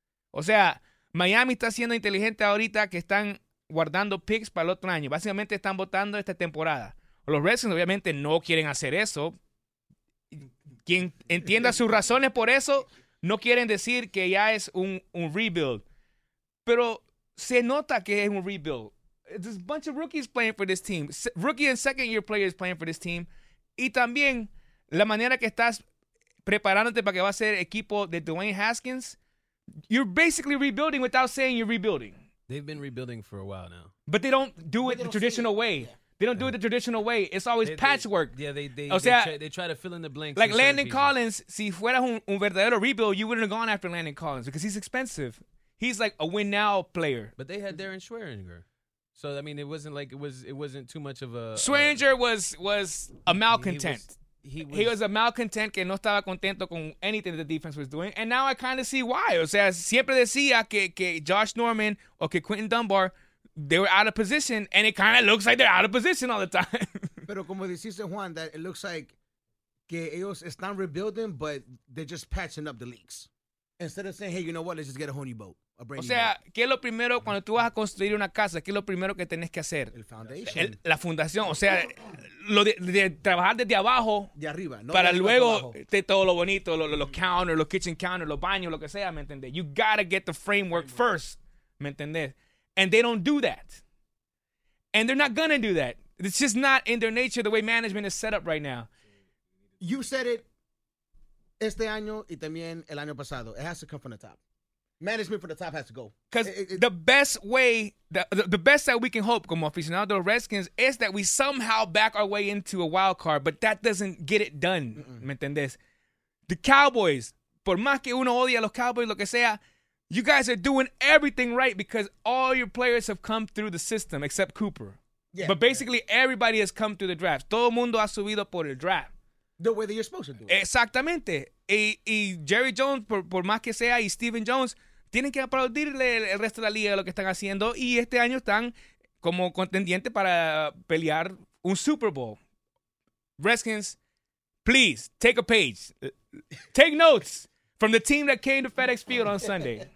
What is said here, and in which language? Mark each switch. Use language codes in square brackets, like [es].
[es] O sea, Miami está siendo inteligente ahorita que están guardando picks para el otro año. Básicamente están votando esta temporada. Los Redskins obviamente no quieren hacer eso. Quien entienda sus razones por eso... No quieren decir que ya es un rebuild. Pero se nota que es un rebuild. [en] There's a bunch of rookies playing for this team. Rookie and second year players playing for this team. [es] Y también la manera que estás preparándote para que va a ser equipo de Dwayne Haskins. [en] You're basically rebuilding without saying you're rebuilding. They've been rebuilding for a while now. But they don't do it the traditional way. They don't do it the traditional way. It's always patchwork. They try to fill in the blanks. Like Landon Collins, [es] si fuera un verdadero rebuild, [en] you wouldn't have gone after Landon Collins because he's expensive. He's like a win now player. But they had Darren Schweringer. So, I mean, it wasn't too much of a... Schweringer was a malcontent. He was, He was a malcontent [es] que no estaba contento con [en] anything that the defense was doing. And now I kind of see why. [es] O sea, siempre decía que [en] Josh Norman [es] o que [en] Quentin Dunbar, they were out of position, and it kind of looks like they're out of position all the time. [es] Pero como deciste, [en] Juan, that it looks like [es] que ellos están [en] rebuilding, but they're just patching up the leaks. Instead of saying, hey, you know what, let's just get a whole new boat. [es] O sea, ¿qué es lo primero cuando tú vas a construir una casa? ¿Qué es lo primero que tenés que hacer? El foundation. La fundación. O sea, lo de trabajar desde abajo. De arriba. No para de luego esté todo lo bonito, los counters, los kitchen counters, los baños, lo que sea, ¿me entendés? [en] You gotta get the framework first, [es] ¿me entendés? [en] And they don't do that. And they're not gonna do that. It's just not in their nature the way management is set up right now. You said it [es] este año y también el año pasado. [en] It has to come from the top. Management from the top has to go. Because the best way, the best that we can hope [es] como aficionados de los Redskins [en] is that we somehow back our way into a wild card, but that doesn't get it done. Mm-mm. [es] ¿Me entendés? [en] The Cowboys, [es] por más que uno odie a los Cowboys, lo que sea, [en] you guys are doing everything right because all your players have come through the system except Cooper. Yeah, but basically, everybody has come through the draft. [es] Todo mundo ha subido por el draft. [en] The way that you're supposed to do it. [es] Exactamente. Y Jerry Jones, por más que sea, y Stephen Jones, tienen que aplaudirle el resto de la liga lo que están haciendo. Y este año están como contendiente para pelear un Super Bowl. [en] Redskins, please, take a page. Take notes from the team that came to FedEx Field on Sunday.